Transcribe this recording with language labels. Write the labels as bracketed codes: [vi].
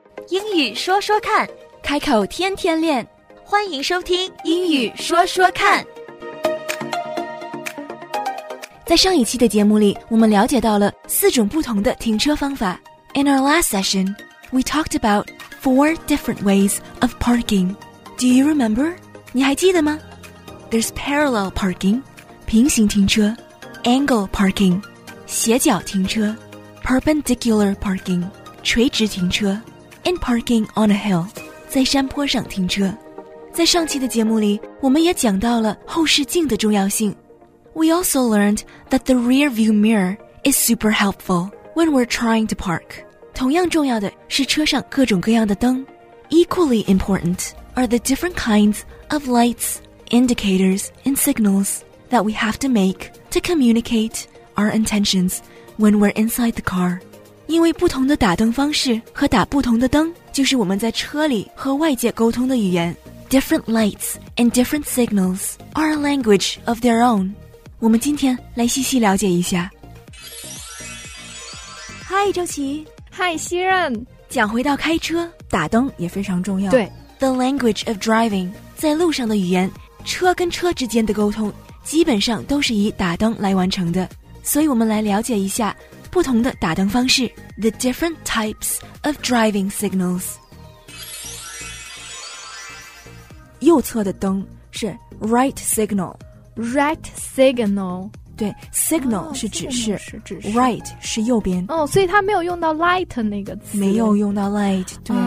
[zh] 英语说说看，开口天天练，欢迎收听英语说说看。在上一期的节目里，我们了解到了四种不同的停车方法。 [en] In our last session, we talked about four different ways of parking. Do you remember? 你还记得吗？ There's parallel parking, 平行停车 ,angle parking, 斜角停车 ,perpendicular parking, 垂直停车 ,and parking on a hill, 在山坡上停车。 [zh] 在上期的节目里，我们也讲到了后视镜的重要性。 [en] We also learned that the rear view mirror is super helpful when we're trying to park. [zh] 同样重要的是车上各种各样的灯。 [en] Equally important are the different kinds of lights,indicators and signals that we have to make to communicate our intentions when we're inside the car. [zh] 因为不同的打灯方式和打不同的灯就是我们在车里和外界沟通的语言。 [en] Different lights and different signals are a language of their own. [zh] 我们今天来细细了解一下。 [en] Hi, 周琦。 Hi, 西任。 [zh] 讲回到开车，打灯也非常重要。对。 The language of driving, 在路上的语言，车跟车之间的沟通基本上都是以打灯来完成的，所以我们来了解一下不同的打灯方式。 [en] The different types of driving signals. [zh] 右侧的灯是 right signal. [en] Right signal. [zh] 对， signal 是指示，是指示， right 是右边。哦，所以它没有用到 light 那个词。没有用到 light， 对，